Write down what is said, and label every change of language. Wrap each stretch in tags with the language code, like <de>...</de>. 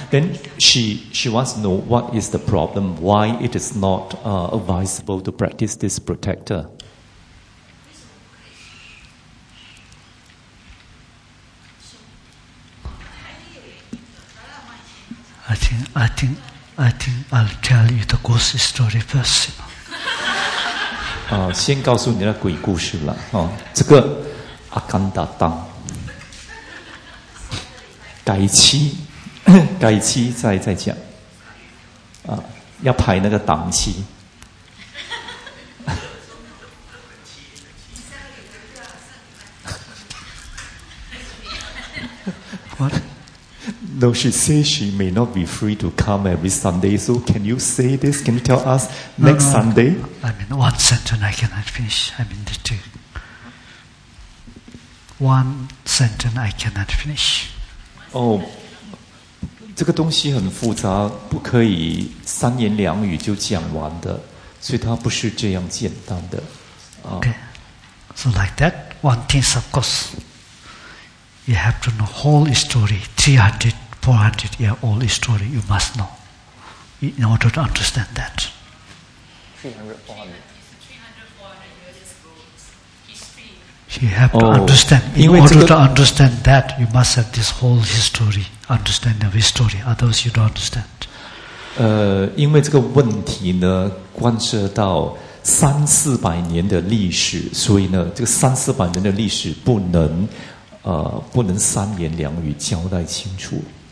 <en>Then she wants to know what is the problem, why it is not advisable to practice this protector. I think I'll tell you the ghost story first.</en> <zh>先告诉你的鬼故事了。这个阿甘达当，改期再讲。要排那个档期。</zh> <en>What? No, she says she may not be free to come every Sunday. So can you say this? Can you tell us next Sunday? I mean, one sentence I cannot finish. I mean, the two. One sentence I cannot finish.</en> <zh>Oh, 这个东西很复杂，不可以三言两语就讲完的，所以它不是这样简单的。</zh> <en>Okay, so like that, one thing is of course. You have to know whole story, 300, 400 year old story, you must know, in order to understand that. 300, 400 years ago, you have to understand that, you must have this whole history, understand the history, otherwise you don't understand.</en> <zh>因为这个问题呢，关涉到三四百年的历史，所以呢，这个三四百年的历史不能不能三言两语交代清楚。</zh>